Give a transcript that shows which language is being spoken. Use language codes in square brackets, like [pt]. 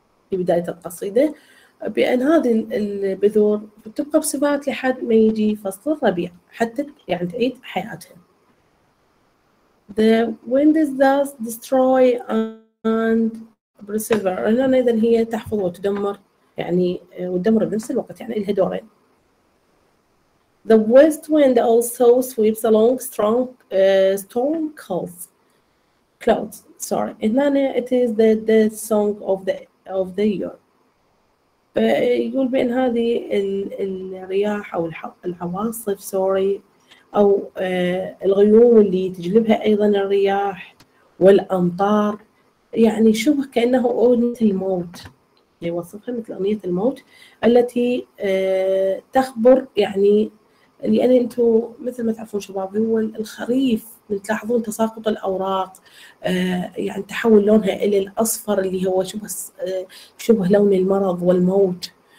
[ar] في بداية القصيدة بأن هذه البذور تبقى بسبات لحد ما يجي فصل الربيع حتى يعني تعيد حياتها [en] The wind is thus destroy and preserve. [ar] أنا أيضا هي تحفظ وتدمر يعني وتدمر بنفس الوقت يعني لها دورين. [en] The west wind also sweeps along strong storm clouds. Sorry. [ar] هنا [en] it is the death song of the year. [ar] يقول بأن هذه الرياح أو العواصف [en] sorry. [ar] أو الغيوم اللي تجلبها أيضاً الرياح والأمطار، يعني شبه كأنه أغنية الموت، يوصفها مثل أغنية الموت التي تخبر، يعني لأن أنتم مثل ما تعرفون شباب هو الخريف تلاحظون تساقط الأوراق، يعني تحول لونها إلى الأصفر اللي هو شبه لون المرض والموت.